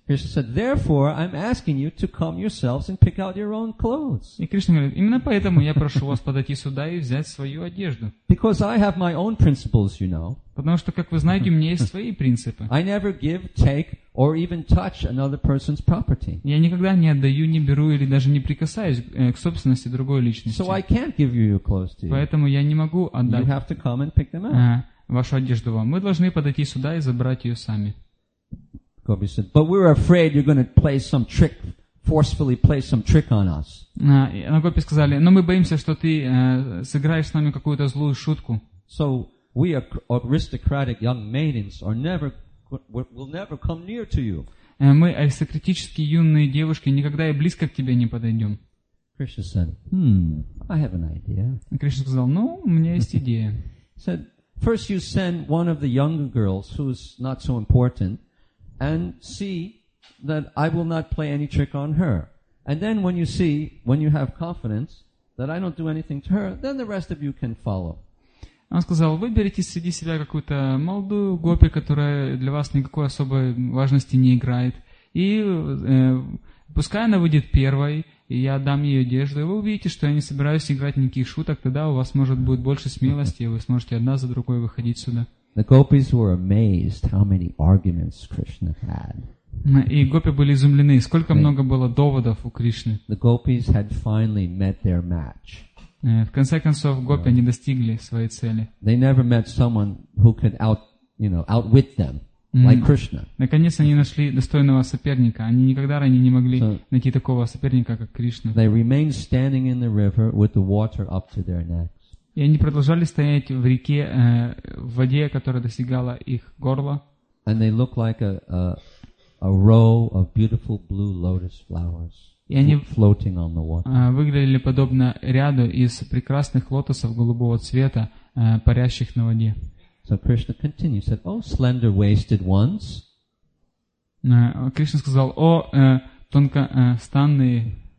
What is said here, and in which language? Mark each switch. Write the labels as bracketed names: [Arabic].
[English] Krishna said, "Therefore, I'm asking you to come yourselves and pick out your own clothes." [Russian] И Кришна говорит, именно поэтому я прошу вас подойти сюда и взять свою одежду. [English] Because I have my own principles, you know. [Russian] Потому что, как вы знаете, у меня есть свои принципы. [English] I never give, take, or even touch another person's property. [Russian] Я никогда не отдаю, не беру или даже не прикасаюсь к собственности другой личности. [English] So I can't give you your clothes to you. [Russian] Поэтому я не могу отдать. [English] You have to come and pick them out. [Russian] Вашу одежду вам. Мы должны подойти сюда и забрать ее сами. [English] Gopi said, "But we're afraid you're going to play some trick, forcefully play some trick on us." [Russian] Но гопи сказали, но мы боимся, что ты сыграешь с нами какую-то злую шутку. [English] So we aristocratic young maidens are never, will never come near to you. [Russian] Мы аристократические юные девушки никогда и близко к тебе не подойдем. [English] Krishna said, I have an idea. [Russian] Krishna сказал, ну, у меня есть идея. [English] Said, first you send one of the younger girls who's not so important and see that I will not play any trick on her. And then when you see, when you have confidence that I don't do anything to her, then the rest of you can follow. [Russian] Он сказал, выберите среди себя какую-то молодую гопи, которая для вас никакой особой важности не играет. И пускай она выйдет первой, и я дам ей одежду, и вы увидите, что я не собираюсь играть никаких шуток, тогда у вас, может, будет больше смелости, и вы сможете одна за другой выходить сюда. [English] The gopis were amazed how many arguments Krishna had. [Russian] И гопи были изумлены, сколько много было доводов у Кришны. [English] The gopis had finally met their match. [Russian] В конце концов, гопи, они достигли своей цели. [English] They never met someone who could outwit them. Like Krishna. [Russian] Наконец они нашли достойного соперника. Они никогда ранее не могли найти такого соперника, как Кришна. [English] They remained standing in the river with the water up to their necks. [Russian] И они продолжали стоять в реке в воде, которая достигала их горла. [English] And they looked like a row of beautiful blue lotus flowers floating on the water. [Russian] Выглядели подобно ряду из прекрасных лотосов голубого цвета, парящих на воде. [English] So Krishna continued, said, "Oh, slender waisted ones." [Russian] Krishna сказал, "О, тонкостанные."